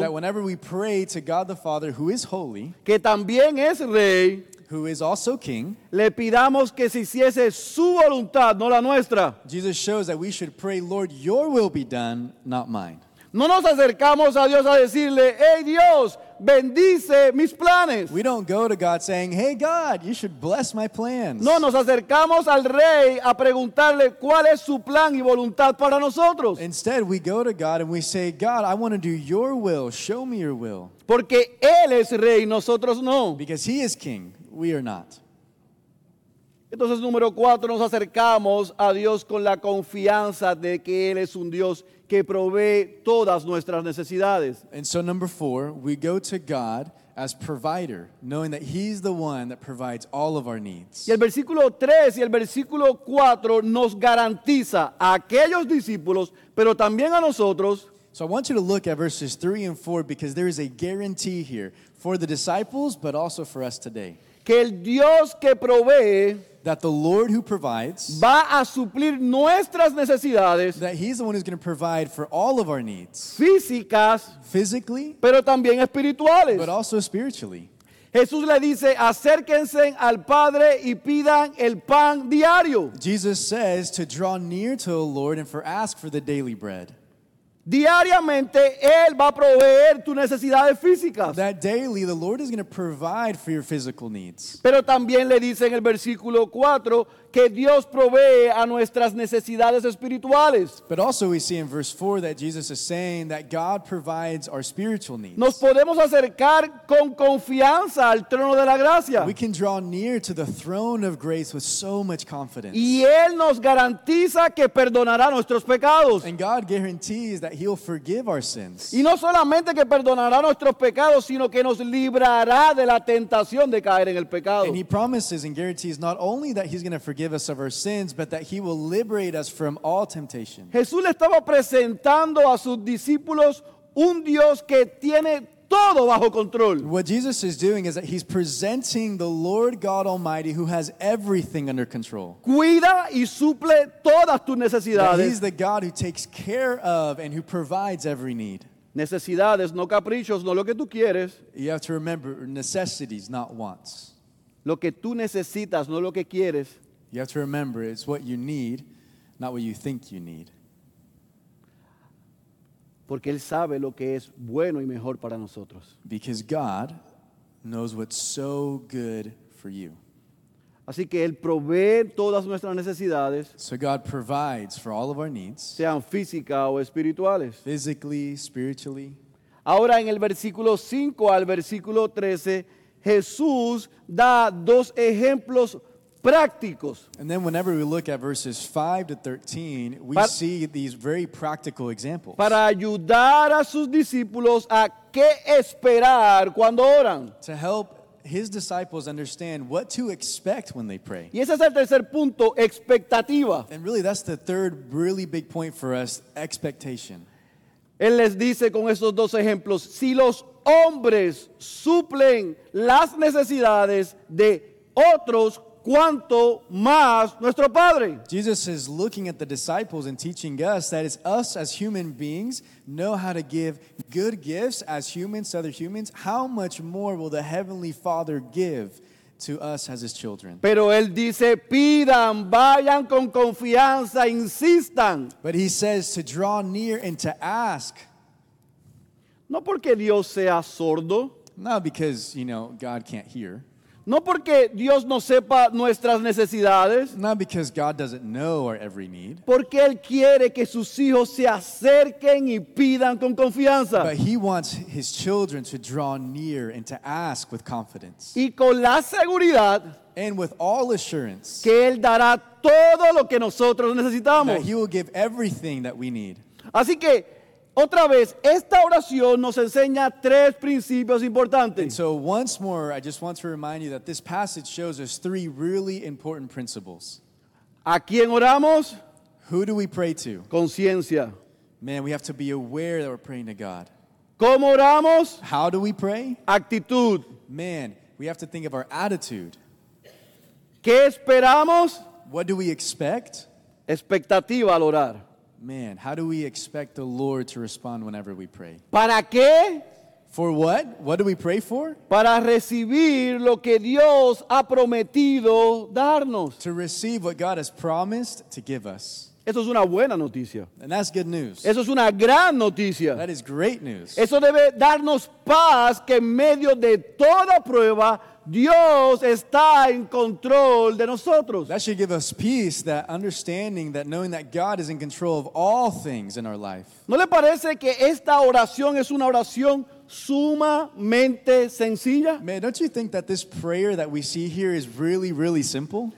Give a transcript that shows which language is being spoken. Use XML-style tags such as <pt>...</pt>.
<en>that whenever we pray to God the Father who is holy,</en> <es>que también es rey,</es> <en>who is also king,</en> <es>le pidamos que se hiciese su voluntad, no la nuestra.</es> <en>Jesus shows that we should pray, Lord, your will be done, not mine.</en> <es>No nos acercamos a Dios a decirle, hey Dios, bendice mis planes.</es> <en>We don't go to God saying, hey God, you should bless my plans.</en> <es>No, nos acercamos al Rey a preguntarle cuál es su plan y voluntad para nosotros.</es> <en>Instead, we go to God and we say, God, I want to do your will. Show me your will.</en> <es>Porque Él es Rey, nosotros no.</es> <en>Because He is King, we are not.</en> <es>Entonces, número cuatro, nos acercamos a Dios con la confianza de que Él es un Dios que provee todas nuestras necesidades.</es> <en>And so, number four, we go to God as provider, knowing that He's the one that provides all of our needs.</en> <es>Y el versículo 3 y el versículo 4 nos garantiza a aquellos discípulos, pero también a nosotros.</es> <en>So I want you to look at verses 3 and 4 because there is a guarantee here for the disciples, but also for us today.</en> <es>Que el Dios que provee,</es> <en>that the Lord who provides</en> <es>va a suplir nuestras necesidades,</es> <en>that he's the one who's going to provide for all of our needs,</en> <es>físicas,</es> <en>physically,</en> <es>pero también espirituales,</es> <en>but also spiritually.</en> <es>Jesús le dice, acérquense al Padre y pidan el pan diario.</es> <en>Jesus says to draw near to the Lord and ask for the daily bread.</en> <es>Diariamente, Él va a proveer tus necesidades físicas.</es> <en>That daily, the Lord is going to provide for your physical needs.</en> <es>Pero también le dice en el versículo 4 que Dios provee a nuestras necesidades espirituales.</es> <en>But also we see in verse 4 that Jesus is saying that God provides our spiritual needs.</en> <es>Nos podemos acercar con confianza al trono de la gracia.</es> <en>We can draw near to the throne of grace with so much confidence.</en> <es>Y Él nos garantiza que perdonará nuestros pecados.</es> <en>And God guarantees that he'll forgive our sins.</en> <es>Y no solamente que perdonará nuestros pecados, sino que nos librará de la tentación de caer en el pecado.</es> <en>And he promises and guarantees not only that he's going to forgive us of our sins, but that he will liberate us from all temptation.</en> <es>Jesús le estaba presentando a sus discípulos un Dios que tiene todo bajo control.</es> <en>What Jesus is doing is that he's presenting the Lord God Almighty, who has everything under control.</en> <es>Cuida y suple todas tus necesidades.</es> <en>He's the God who takes care of and who provides every need.</en> <es>Necesidades, no caprichos, no lo que tú quieres.</es> <en>You have to remember, necessities, not wants.</en> <es>Lo que tú necesitas, no lo que quieres.</es> <en>You have to remember, it's what you need, not what you think you need.</en> <es>Porque Él sabe lo que es bueno y mejor para nosotros.</es> <en>Because God knows what's so good for you.</en> <es>Así que Él provee todas nuestras necesidades.</es> <en>So God provides for all of our needs.</en> <es>Sean físicas o espirituales.</es> <en>Physically, spiritually.</en> <es>Ahora en el versículo 5 al versículo 13, Jesús da dos ejemplos prácticos.</es> <en>And then whenever we look at verses 5 to 13, we see these very practical examples.</en> <es>Para ayudar a sus discípulos a qué esperar cuando oran.</es> <en>To help his disciples understand what to expect when they pray.</en> <es>Y ese es el tercer punto, expectativa.</es> <en>And really that's the third really big point for us, expectation.</en> <es>Él les dice con estos dos ejemplos, si los hombres suplen las necesidades de otros, ¿cuánto más nuestro Padre?</es> <en>Jesus is looking at the disciples and teaching us that it's us as human beings know how to give good gifts as humans to other humans. How much more will the Heavenly Father give to us as his children?</en> <es>Pero él dice, pidan, vayan con confianza, insistan.</es> <en>But he says to draw near and to ask.</en> <es>No porque Dios sea sordo.</es> <en>Not because, you know, God can't hear.</en> <es>No porque Dios no sepa nuestras necesidades.</es> <en>Not because God doesn't know our every need.</en> <es>Porque Él quiere que sus hijos se acerquen y pidan con confianza.</es> <en>But he wants his children to draw near and to ask with confidence.</en> <es>Y con la seguridad.</es> <en>And with all assurance.</en> <es>Que Él dará todo lo que nosotros necesitamos.</es> <en>That he will give everything that we need.</en> <es>Así que, otra vez, esta oración nos enseña tres principios importantes.</es> <en>And so once more, I just want to remind you that this passage shows us three really important principles.</en> <es>¿A quién oramos?</es> <en>Who do we pray to?</en> <es>Conciencia.</es> <en>Man, we have to be aware that we're praying to God.</en> <es>¿Cómo oramos?</es> <en>How do we pray?</en> <es>Actitud.</es> <en>Man, we have to think of our attitude.</en> <es>¿Qué esperamos?</es> <en>What do we expect?</en> <es>Expectativa al orar.</es> <en>Man, how do we expect the Lord to respond whenever we pray?</en> <es>¿Para qué?</es> <en>For what? What do we pray for?</en> <es>Para recibir lo que Dios ha prometido darnos.</es> <en>To receive what God has promised to give us.</en> <es>Eso es una buena noticia.</es> <en>And that's good news.</en> <es>Eso es una gran noticia.</es> <en>That is great news.</en> <es>Eso debe darnos paz que en medio de toda prueba Dios está en control de nosotros.</es> <en>That should give us peace, that understanding, that knowing that God is in control of all things in our life.</en> <es>¿No le parece que esta oración es una oración sumamente sencilla?</es> <en>Man, don't you think that this prayer that we see here is really, really simple?</en>